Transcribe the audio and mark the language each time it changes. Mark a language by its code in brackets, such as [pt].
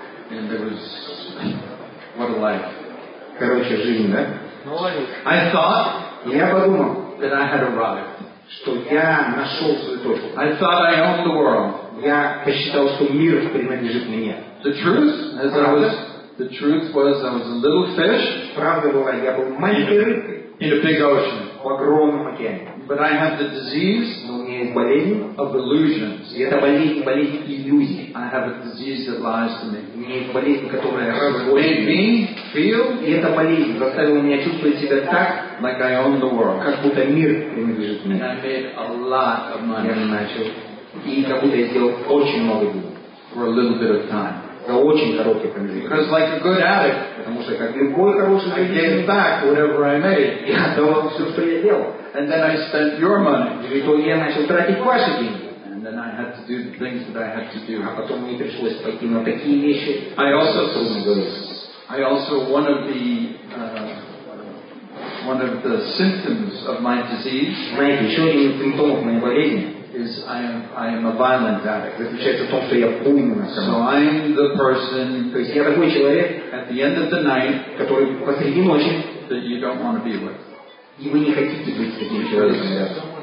[en] And there was what a life. [ru] Короче, жизнь, да? [en] I thought. [ru] Я подумал. [en] That I had arrived. [ru] Что я нашел свою точку. [en] I thought I owned the world. [ru] Я посчитал, что мир принадлежит мне. [en] The truth, as [ru] правда? [en] I was. The truth was I was a little fish. [ru] Правда была, я был маленькой рыбкой. [en] In a big ocean. [ru] В огромном океане. [en] But I have the disease. [ru] Но у меня есть болезнь. [en] Of illusions. [ru] И это болезнь иллюзий. [en] I have a disease that lies to me. [ru] У меня есть болезнь, которая разводит меня. [en] Feel. [ru] И эта болезнь заставила меня чувствовать себя так, [en] like I own the world. [ru] Как будто мир принадлежит мне. [en] And I made a lot of money. [ru] Я начал. И как будто я сделал очень много денег. [en] For a little bit of time. [ru] За очень короткий промежуток. [en] Because like a good addict. [ru] Потому что как любой хороший [en] addict. I gave back whatever I made. [ru] Я отдавал все, что я делал. [en] And then I spent your money. [ru] И потом я начал тратить ваши деньги. [en] And then I had to do the things that I had to do. [ru] А потом мне пришлось пойти на такие вещи. [en] I also one of the symptoms of my disease. [ru] Знаете, еще один из симптомов моей болезни. [en] Is I am a violent addict. [ru] Заключается в том, что я буйный наркоман. [en] So I'm the person. [ru] То есть я такой человек. [en] At the end of the night, [ru] который посреди ночи. [en] That you don't want to be with. [ru] И вы не хотите быть таким человеком.